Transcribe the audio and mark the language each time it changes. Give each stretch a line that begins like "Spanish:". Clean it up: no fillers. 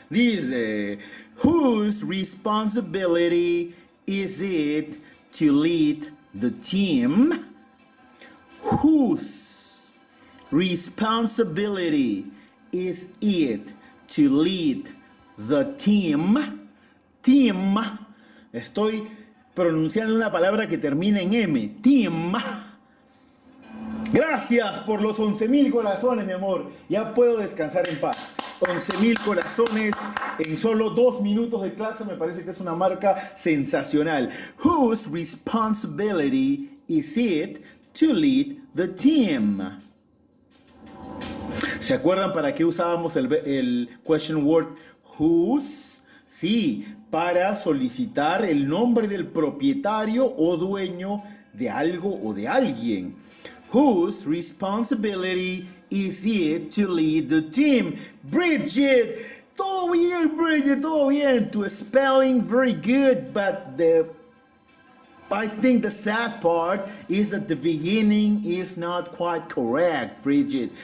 English: Dice: Whose responsibility is it to lead the team? Whose responsibility is it to lead the team? Team.
Spanish: Estoy pronunciando una palabra que termina en M. Team. Gracias por los 11.000 corazones, mi amor. Ya puedo descansar en paz. 11.000 corazones en solo 2 minutos de clase me parece que es una marca sensacional.
English: Whose responsibility is it to lead the team?
Spanish: ¿Se acuerdan para qué usábamos el question word whose? Sí, para solicitar el nombre del propietario o dueño de algo o de alguien.
English: Whose responsibility is it to lead the team?
Spanish: Bridget, todo bien, Bridget, todo bien.
English: Tu spelling very good, but I think the sad part is that the beginning is not quite correct, Bridget.